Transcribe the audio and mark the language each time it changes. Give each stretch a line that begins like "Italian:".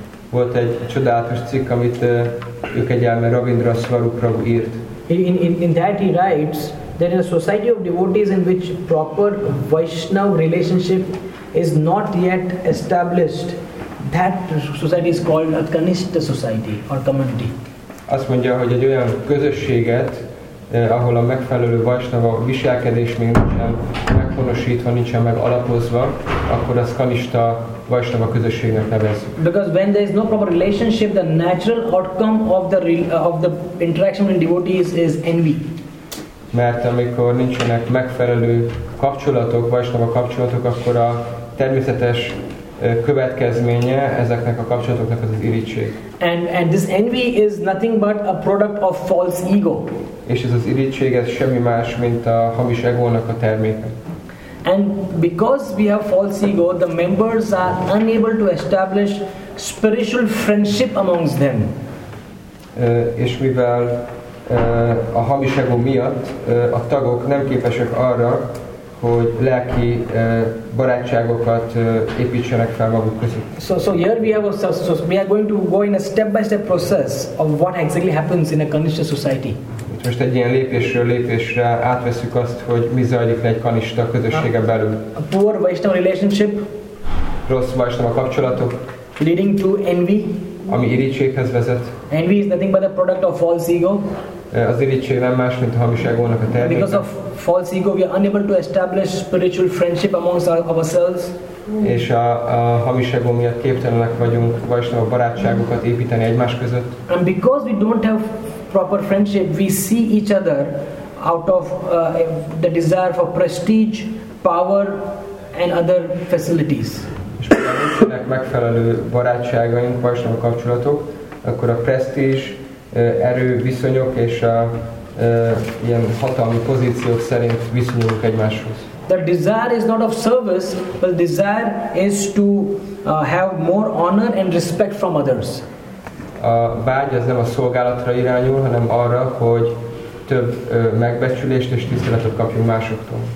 Hungarian: Volt egy csodálatos cikk, amit őkegyelme Ravindra Swarup Prabhu írt.
English: In that he writes that in a society of devotees in which proper Vaishnava relationship is not yet established, that society is called a Kanishta society or community.
Hungarian: Azt mondja, hogy egy olyan közösséget, ahol a megfelelő Vaishnava viselkedés még nincsen megfonosítva, nincsen megalapozva, akkor az Kanishta Vaishnava közösségnek nevezzük.
English: Because when there is no proper relationship, the natural outcome of the interaction with devotees is envy.
Hungarian: Mert amikor nincsenek megfelelő kapcsolatok, Vaishnava kapcsolatok, akkor a természetes következménye ezeknek a kapcsolatoknak az irítség.
English: And this envy is nothing but a product of false ego.
Hungarian: És ez az irítség, ez semmi más, mint a hamis egónak a terméke.
English: And because we have false ego, the members are unable to establish spiritual friendship amongst them.
Hungarian: És mivel a hamis ego miatt a tagok nem képesek arra, hogy lelki barátságokat építsenek fel maguk között.
English: So here we have so we are going to go in a step by step process of what exactly happens in a Kanishta society.
Hungarian: Most egy ilyen lépésről lépésre átveszük azt, hogy mi zajlik le egy kanista közössége belül.
English: A poor Vaishnava relationship.
Hungarian: Rossz Vaishnava kapcsolatok.
English: Leading to envy.
Hungarian: Ami irítséghez vezet.
English: Envy is nothing but a product of false ego.
Hungarian: Az irítség nem más, mint a hamis egónak a terméke.
English: Because of false ego, we are unable to establish spiritual friendship amongst ourselves.
Hungarian: És a hamis ego miatt képtelenek vagyunk Vaishnava barátságokat építeni egymás között.
English: And because we don't have proper friendship, we see each other out of the desire for prestige, power and other facilities.
Hungarian: És nincsenek megfelelő barátságaink, Vaishnava kapcsolatok, akkor a prestige, erő, viszonyok és a ilyen hatalmi pozíciók szerint viszonyulunk egymáshoz.
English: The desire is not of service, but the desire is to have more honor and respect from others.
Hungarian: A vágy az nem a szolgálatra irányul, hanem arra, hogy több megbecsülést és tiszteletet kapjunk másoktól.